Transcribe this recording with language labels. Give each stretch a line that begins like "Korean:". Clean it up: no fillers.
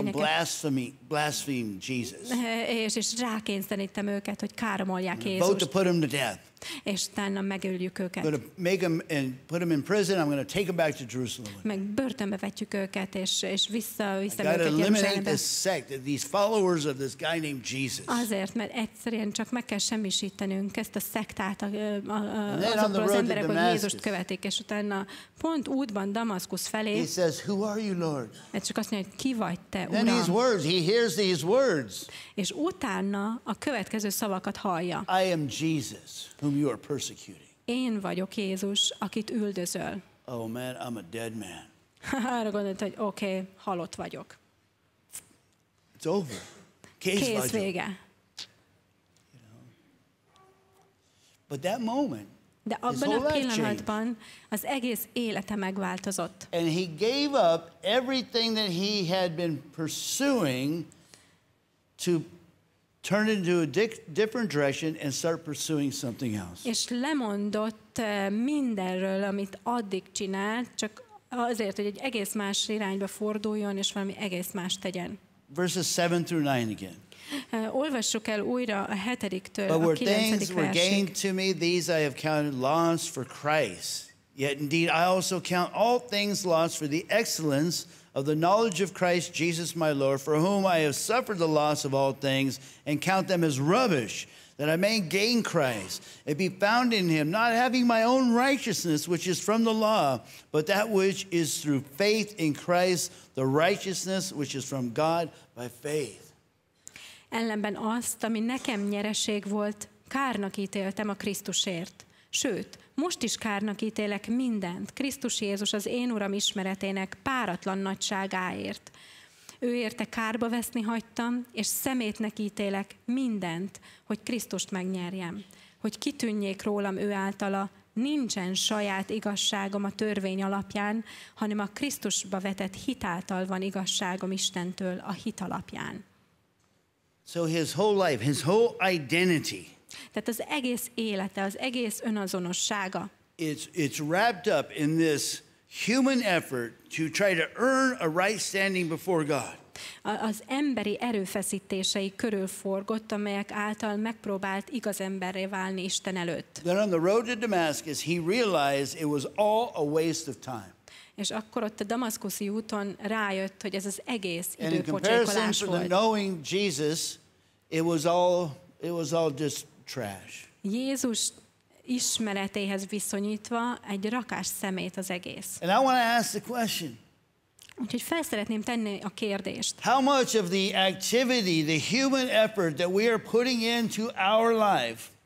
English: I'm going to go make a blaspheme Jesus.
Hungarian: És rákényszerítem őket, hogy káromolják Jézust.
English: Vote to put them to death.
Hungarian: És utána megöljük őket.
English: I'm going to make them and put them in prison. I'm going to take them back to Jerusalem.
Hungarian: Meg börtönbe vetjük őket, és vissza őket Jeruzsálembe.
English: I've got to eliminate this sect, these followers of this guy named Jesus.
Hungarian: Azért, mert egyszerűen csak meg kell semmisítenünk ezt a szektát, azokról az emberek, hogy Jézust követik, és utána pont útban Damaszkusz felé.
English: He says, "Who are you, Lord?"
Hungarian: Ez csak azt mondja, hogy ki vagy te, Uram.
English: Then these words, he hears these words.
Hungarian: És utána a következő szavakat hallja.
English: I am Jesus. Whom you are persecuting.
Hungarian: Én vagyok Jézus, akit üldözöl.
English: Oh man, I'm a dead man.
Hungarian: Arra gondolt, hogy okay, halott vagyok.
English: It's over.
Hungarian: Kész vége.
English: But that moment,
Hungarian: de abban a pillanatban az egész élete megváltozott.
English: And he gave up everything that he had been pursuing to turned into a different direction and start pursuing something else.
Hungarian: És lemondott mindenről, amit addig csinált, csak azért, hogy egy egész más irányba forduljon és valami egész más tegyen.
English: Verses 7 through 9 again.
Hungarian: Olvassuk el újra a 7-től a 9-ig.
English: But things were gained to me, these I have counted loss for Christ. Yet indeed I also count all things lost for the excellence of the knowledge of Christ Jesus my Lord, for whom I have suffered the loss of all things and count them as rubbish, that I may gain Christ and be found in him, not having my own righteousness, which is from the law, but that which is through faith in Christ, the righteousness which is from God by faith.
Hungarian: Ellenben azt, ami nekem nyereség volt, kárnak ítéltem a Krisztusért. Sőt, most is kárnak ítélek mindent, Krisztus Jézus az én Uram ismeretének páratlan nagyságáért. Ő érte kárba veszni hagytam, és szemétnek ítélek mindent, hogy Krisztust megnyerjem. Hogy kitűnjék rólam ő általa, nincsen saját igazságom a törvény alapján, hanem a Krisztusba vetett hit által van igazságom Istentől a hit alapján.
English: So his whole life, his whole identity.
Hungarian: Tehát az egész élete, az egész önazonossága.
English: It's wrapped up in this human effort to try to earn a right standing before God.
Hungarian: Az emberi erőfeszítései körül forgott, amelyek által megpróbált igaz emberré válni Isten előtt.
English: Then on the road to Damascus, he realized it was all a waste of time.
Hungarian: És akkor ott a damaszkuszi úton rájött, hogy ez az egész időpocsékolás volt.
English: In comparison to the knowing Jesus, it was all just trash.
Hungarian: Jézus ismeretéhez viszonyítva egy rakás szemét az egész.
English: And I want to ask the question.
Hungarian: Úgyhogy fel szeretném tenni a kérdést.
English: How much of the activity, the human effort that we are putting into our life?